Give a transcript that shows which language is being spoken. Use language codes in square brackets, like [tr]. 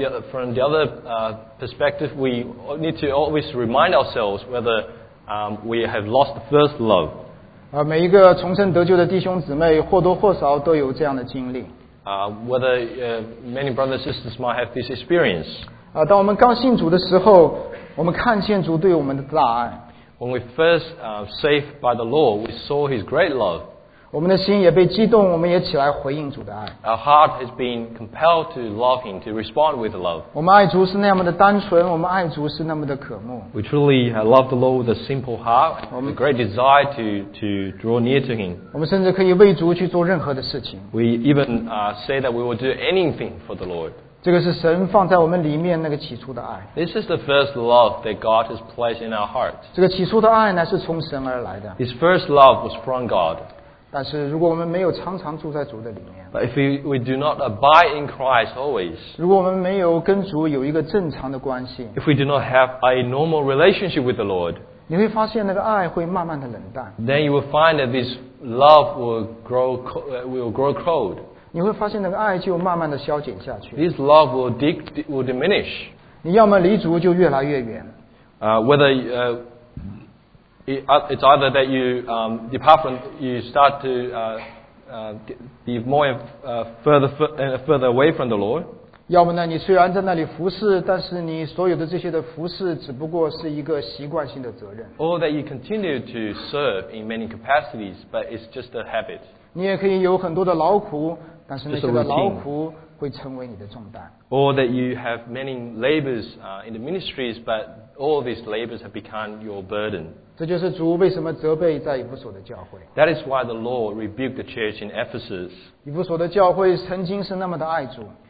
[en] From the other perspective, we need to always remind ourselves whether we have lost the first love. [zh] 每一个重生得救的弟兄姊妹或多或少都有这样的经历。 [en] Many brothers and sisters might have this experience. [zh] 当我们刚信主的时候，我们看见主对我们的大爱。 [en] When we first saved by the Lord, we saw His great love. [zh] 我们的心也被激动，我们也起来回应主的爱。 [en] Our heart has been compelled to love Him, to respond with love. [zh] 我们爱主是那么的单纯，我们爱主是那么的渴慕。 [en] We truly love the Lord with a simple heart, with a great desire to draw near to Him. [zh] 我们甚至可以为主去做任何的事情。 [en] We even say that we will do anything for the Lord. [zh] 这个是神放在我们里面那个起初的爱。 [en] This is the first love that God has placed in our heart. [zh] 这个起初的爱呢，是从神而来的。 [en] His first love was from God. [zh] 但是如果我们没有常常住在主的里面 [en] But if we do not abide in Christ always [zh] 如果我们没有跟主有一个正常的关系 [en] If we do not have a normal relationship with the Lord [zh] 你会发现那个爱会慢慢的冷淡 [en] Then you will find that this love will grow cold [zh] 你会发现那个爱就慢慢的消减下去 [en] This love will diminish [zh] 你要么离主就越来越远 [en] It's either that you depart from, you start to be more further away from the Lord. [zh] 要么呢，你虽然在那里服侍，但是你所有的这些的服侍只不过是一个习惯性的责任。 [en] Or that you continue to serve in many capacities, but it's just a habit. [zh] 你也可以有很多的劳苦，但是那些的劳苦会成为你的重担。 [en] Or that you have many labors in the ministries, but all these labors have become your burden. [zh] 这就是主为什么责备在以弗所的教会。 [en] That is why the Lord rebuked the church in Ephesus. [zh] 以弗所的教会曾经是那么的爱主。